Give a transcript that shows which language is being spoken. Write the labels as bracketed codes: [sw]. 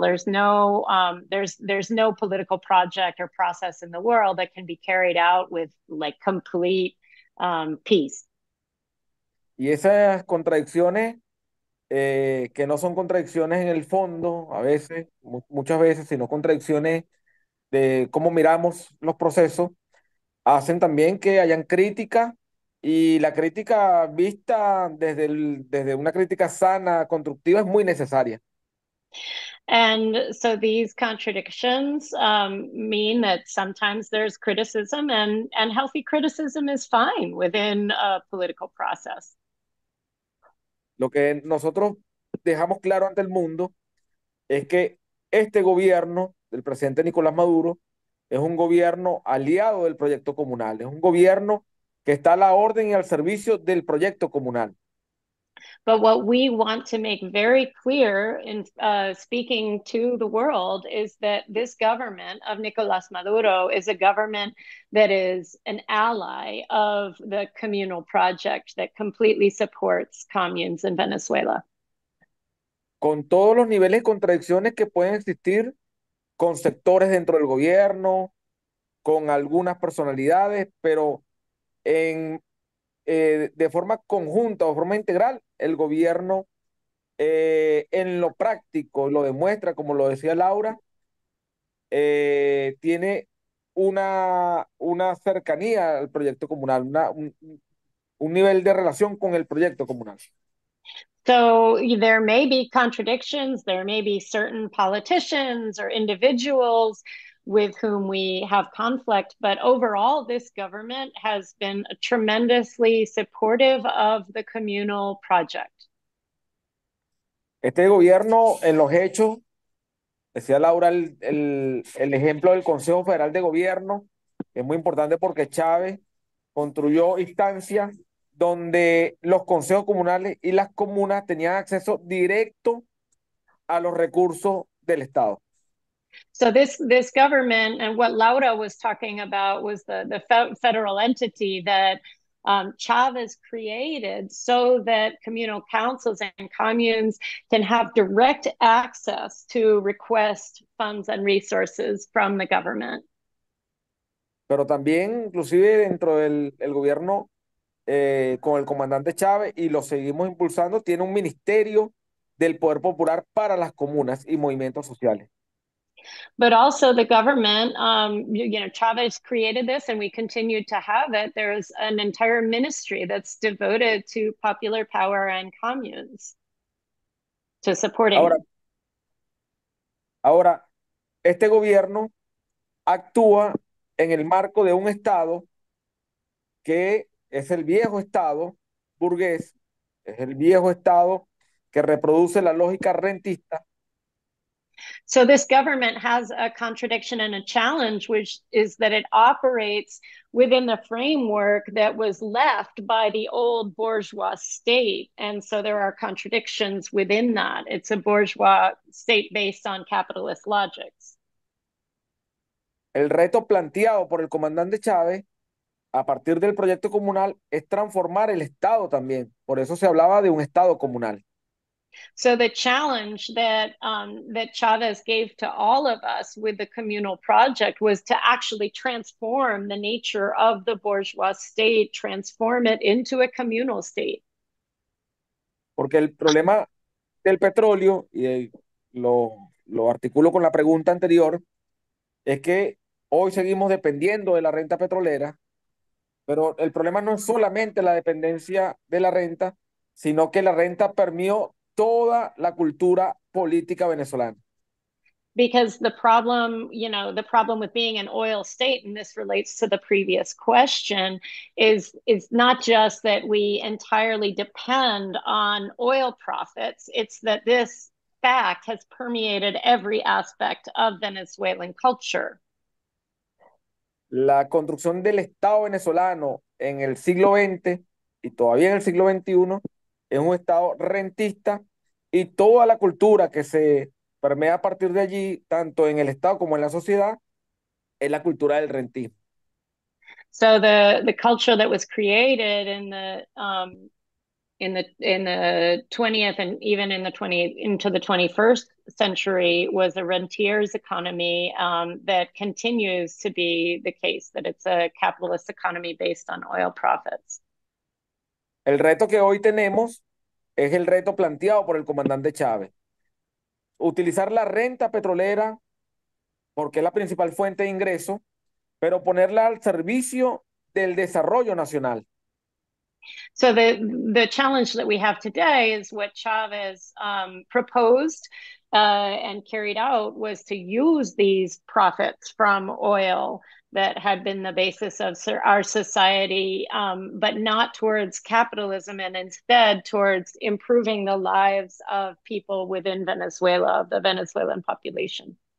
[en] There's no political project or process in the world that can be carried out with like complete peace. [es] Y esas contradicciones, que no son contradicciones en el fondo, a veces, muchas veces, sino contradicciones de cómo miramos los procesos, hacen también que hayan crítica, y la crítica vista desde una crítica sana, constructiva, es muy necesaria. [en] And so these contradictions mean that sometimes there's criticism, and healthy criticism is fine within a political process. [es] Lo que nosotros dejamos claro ante el mundo es que este gobierno del presidente Nicolás Maduro es un gobierno aliado del proyecto comunal, es un gobierno que está a la orden y al servicio del proyecto comunal. [en] But what we want to make very clear in speaking to the world is that this government of Nicolás Maduro is a government that is an ally of the communal project that completely supports communes in Venezuela. [es] Con todos los niveles de contradicciones que pueden existir con sectores dentro del gobierno, con algunas personalidades, pero en de forma conjunta o forma integral, el gobierno en lo práctico lo demuestra, como lo decía Laura, tiene una cercanía al proyecto comunal, un nivel de relación con el proyecto comunal. [en] So there may be contradictions, there may be certain politicians or individuals with whom we have conflict, but overall this government has been tremendously supportive of the communal project. [es] Este gobierno en los hechos, decía Laura, el ejemplo del Consejo Federal de Gobierno, es muy importante porque Chávez construyó instancias donde los consejos comunales y las comunas tenían acceso directo a los recursos del Estado. [en] So this government, and what Laura was talking about was the federal entity that Chávez created so that communal councils and communes can have direct access to request funds and resources from the government. [es] Pero también, inclusive dentro del gobierno, con el comandante Chávez y lo seguimos impulsando, tiene un ministerio del poder popular para las comunas y movimientos sociales. [en] But also the government, Chávez created this and we continue to have it. There's an entire ministry that's devoted to popular power and communes, to supporting. [es] Ahora, este gobierno actúa en el marco de un Estado que es el viejo Estado burgués, es el viejo Estado que reproduce la lógica rentista. [en] So this government has a contradiction and a challenge, which is that it operates within the framework that was left by the old bourgeois state. And so there are contradictions within that. It's a bourgeois state based on capitalist logics. [es] El reto planteado por el comandante Chávez a partir del proyecto comunal es transformar el Estado también. Por eso se hablaba de un Estado comunal. [en] So the challenge that that Chávez gave to all of us with the communal project was to actually transform the nature of the bourgeois state, transform it into a communal state. [es] Porque el problema del petróleo, y lo articulo con la pregunta anterior, es que hoy seguimos dependiendo de la renta petrolera. Pero el problema no es solamente la dependencia de la renta, sino que la renta permeó toda la cultura política venezolana. [en] Because the problem, the problem with being an oil state, and this relates to the previous question, is not just that we entirely depend on oil profits, it's that this fact has permeated every aspect of Venezuelan culture. [es] La construcción del Estado venezolano en el siglo XX y todavía en el siglo XXI es un Estado rentista y toda la cultura que se permea a partir de allí, tanto en el Estado como en la sociedad, es la cultura del rentismo. [en] So the culture that was created in the 20th and even in the 20th into the 21st century was a rentier's economy that continues to be the case, that it's a capitalist economy based on oil profits. [es] El reto que hoy tenemos es el reto planteado por el comandante Chávez. Utilizar la renta petrolera, porque es la principal fuente de ingreso, pero ponerla al servicio del desarrollo nacional. [en] So the challenge that we have today is what Chavez proposed and carried out was to use these profits from oil that had been the basis of our society, but not towards capitalism and instead towards improving the lives of people within Venezuela, of the Venezuelan population.